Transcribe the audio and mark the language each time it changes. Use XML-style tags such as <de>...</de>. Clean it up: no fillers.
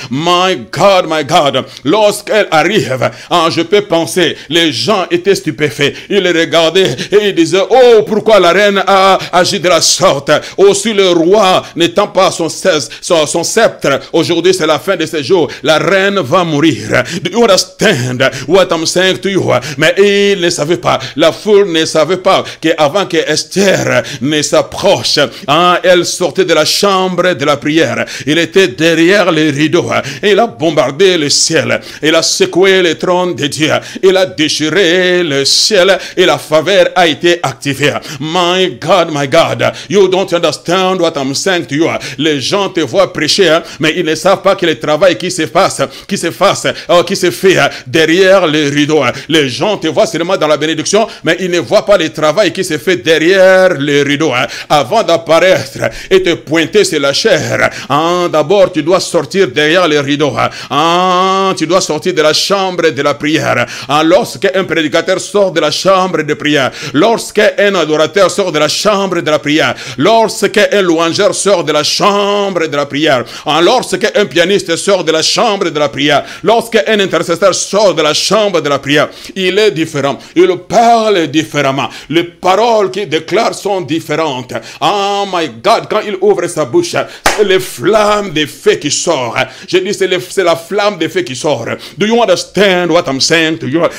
<fr>My God, lorsqu'elle arrive, je peux penser, les gens étaient stupéfaits. Ils les regardaient et ils disaient, oh, pourquoi la reine a agi de la sorte? Oh, si le roi n'étend pas son sceptre, aujourd'hui c'est la fin de ses jours, la reine va mourir.</fr> <en>Do you understand what I'm saying to you?</en> <fr>Mais ils ne savaient pas, la foule ne savait pas qu'avant que Esther ne s'approche, elle sortait de la chambre de la prière. Il était derrière les rideaux. Il a bombardé le ciel. Il a secoué le trône de Dieu. Il a déchiré le ciel et la faveur a été activée.</fr> <en>My God, you don't understand what I'm saying to you.</en> <fr>Les gens te voient prêcher, mais ils ne savent pas que le travail qui se fait derrière les rideaux. Les gens te voient seulement dans la bénédiction, mais ils ne voient pas le travail qui se fait derrière les rideaux. Avant d'apparaître et te pointer sur la chair, d'abord tu dois sortir derrière les rideaux. Tu dois sortir de la chambre de la prière. Lorsqu'un prédicateur sort de la chambre de prière, lorsqu'un adorateur sort de la chambre de la prière, lorsqu'un louangeur sort de la chambre de la prière, lorsqu'un pianiste sort de la chambre de la prière, lorsqu'un intercesseur sort de la chambre de la prière, il est différent. Il parle différemment. Les paroles qu'il déclare sont différentes. Oh my God, quand il ouvre sa bouche, c'est les flammes des feux qui sortent. Je dis, c'est la flamme des feux qui sortent.</fr> <en>Do you understand what I'm saying to you?</en>